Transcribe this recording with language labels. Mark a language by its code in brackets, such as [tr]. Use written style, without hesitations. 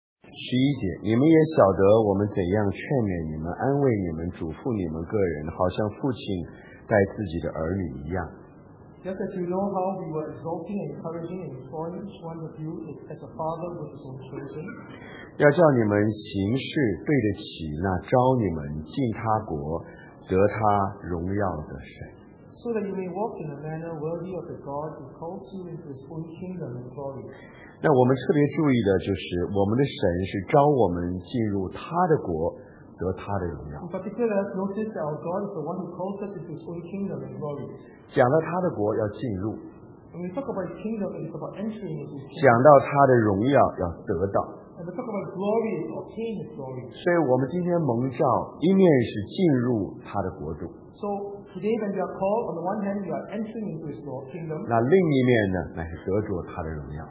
[zh] 十一节，你们也晓得我们怎样劝勉你们、安慰你们、嘱咐你们个人，好像父亲待自己的儿女一样。 [en] Just as you know how we were exhorting, encouraging, and exhorting each one of you as a father with his own children. [zh] 要叫你们行事对得起那召你们进他国、得他荣耀的神。 [en] So that you may walk in a manner worthy of the God who calls you into His own kingdom and glory. [zh] 那我们特别注意的就是，我们的神是召我们进入他的国。得他的荣耀。 [en] In particular, notice that our God is the one who calls us into His own kingdom and glory. [zh] 讲到他的国要进入。 [en] When we talk about His kingdom, it's about entering into His kingdom. [zh] 讲到他的荣耀要得到。 [en] And we talk about glory, it's obtaining His glory. [zh] 所以我们今天蒙召，一面是进入他的国度。 [en] So today, when we are called, on the one hand, we are entering into His kingdom. [zh] 那另一面呢，乃是得着他的荣耀。